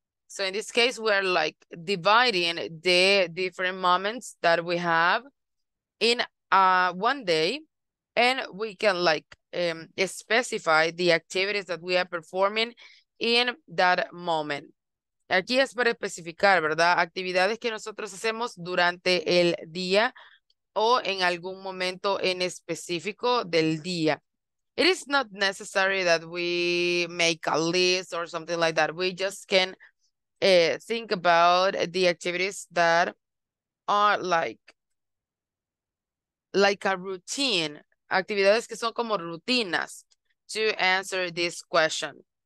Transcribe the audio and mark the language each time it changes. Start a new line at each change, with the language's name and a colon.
English: So in this case, we're like dividing the different moments that we have in one day, and we can like specify the activities that we are performing in that moment.
Spanish: Aquí es para especificar, ¿verdad? Actividades que nosotros hacemos durante el día o en algún momento en específico del día.
English: It is not necessary that we make a list or something like that. We just can think about the activities that are like a routine.
Spanish: Actividades que son como rutinas
English: to answer this question.